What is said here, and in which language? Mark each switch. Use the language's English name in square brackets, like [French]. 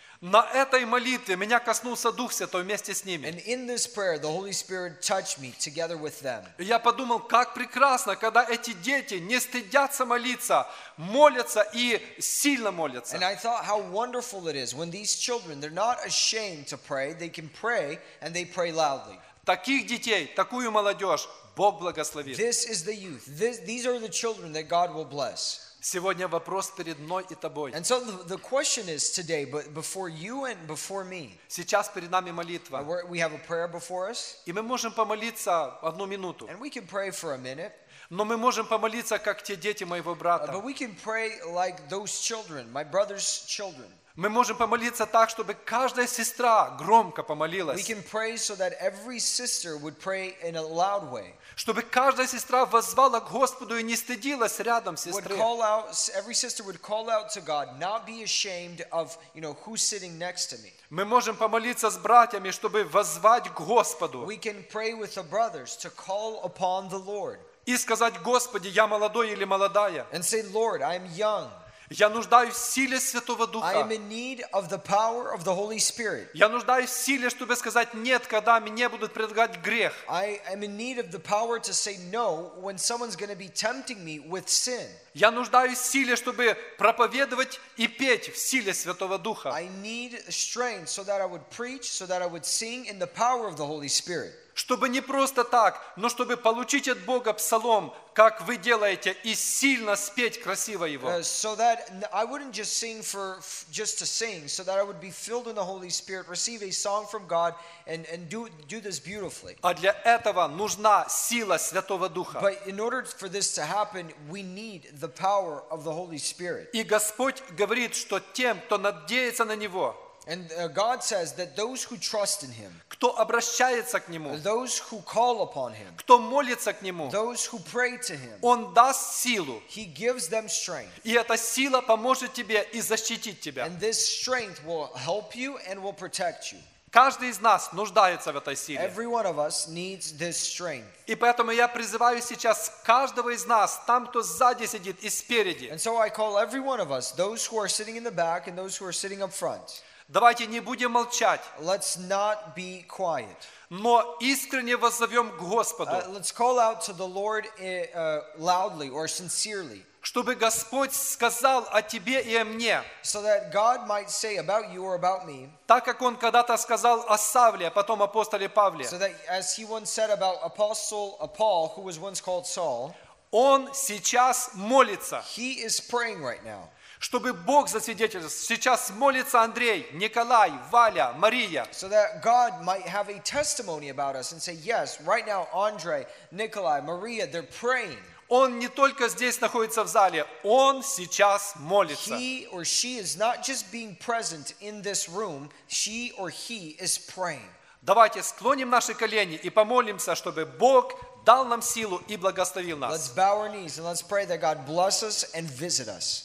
[Russian] На этой молитве меня коснулся Дух Святой вместе с ними. [English] And in this prayer, the Holy Spirit touched me together with them. [Russian] Я подумал, как прекрасно, когда эти дети не стыдятся молиться, молятся и сильно молятся. [English] And I thought how wonderful it is when these children, they're not ashamed to pray, they can pray and they pray loudly. [Russian] Таких детей, такую молодежь Бог благословит. [English] This is the youth. These are the children that God will bless. [Russian] Сегодня вопрос перед мной и тобой. [English] And so the question is today, but before you and before me. [Russian] Сейчас перед нами молитва. [English] We have a prayer before us. [Russian] И мы можем помолиться одну минуту. [English] And we can pray for a minute. [Russian] Но мы можем помолиться как те дети моего брата. [English] But we can pray like those children, my brother's children. [Russian] Мы можем помолиться так, чтобы каждая сестра громко помолилась. [English] We can pray so that every sister would pray in a loud way. [Russian] Чтобы каждая сестра воззвала к Господу и не стыдилась рядом сестры. [English] Would call out, every sister would call out to God, not be ashamed of, you know, who's sitting next to me. [Russian] Мы можем помолиться с братьями, чтобы воззвать к Господу. [English] We can pray with the brothers to call upon the Lord. [Russian] И сказать: Господи, я молодой или молодая. [English] And say, Lord, I'm young. [Russian] Я нуждаюсь в силе Святого Духа. [English] I am in need of the power of the Holy Spirit. [Russian] Я нуждаюсь в силе, чтобы сказать нет, когда мне будут предлагать грех. [English] I am in need of the power to say no when someone's going to be tempting me with sin. [Russian] Я нуждаюсь в силе, чтобы проповедовать и петь в силе Святого Духа. [English] I need strength so that I would preach, so that I would sing in the power of the Holy Spirit. [Russian] Чтобы не просто так, но чтобы получить от Бога псалом, как вы делаете, и сильно спеть красиво его. [English] So that I wouldn't just sing for just to sing, so that I would be filled in the Holy Spirit, receive a song from God, and do this beautifully. [Russian] А для этого нужна сила Святого Духа. [English] But in order for this to happen, we need the power of the Holy Spirit. [Russian] И Господь говорит, что тем, кто надеется на Него. [English] And God says that those who trust in Him, [Russian] кто обращается к Нему, [English] those who call upon Him, [Russian] кто молится к Нему, [English] those who pray to Him, [Russian] Он даст силу, [English] He gives them strength. [Russian] И эта сила поможет тебе и защитит тебя. [English] And this strength will help you and will protect you. [Russian] Каждый из нас нуждается в этой силе. [English] Every one of us needs this strength. [Russian] И поэтому я призываю сейчас каждого из нас, там, кто сзади сидит и спереди. [English] And so I call every one of us, those who are sitting in the back and those who are sitting up front. [Russian] Давайте не будем молчать. [English] Let's not be quiet. [Russian] Но искренне воззовем к Господу. [English] Let's call out to the Lord loudly or sincerely. [Russian] Чтобы Господь сказал о тебе и о мне. [English] So that God might say about you or about me. [Russian] Так как Он когда-то сказал о Савле, а потом апостоле Павле. [English] So that as He once said about Apostle Paul, who was once called Saul. [Russian] Он сейчас молится. [English] He is praying right now. [Russian] Чтобы Бог засвидетельствовал, сейчас молится Андрей, Николай, Валя, Мария. [English] So that God might have a testimony about us and say, yes, right now, Andre, Nikolai, Maria, they're praying. [Russian] Он не только здесь находится в зале, он сейчас молится. [English] He or she is not just being present in this room, she or he is praying. [Russian] Давайте склоним наши колени и помолимся, чтобы Бог дал нам силу и благословил нас. [English] Let's bow our knees and let's pray that God bless us and visit us.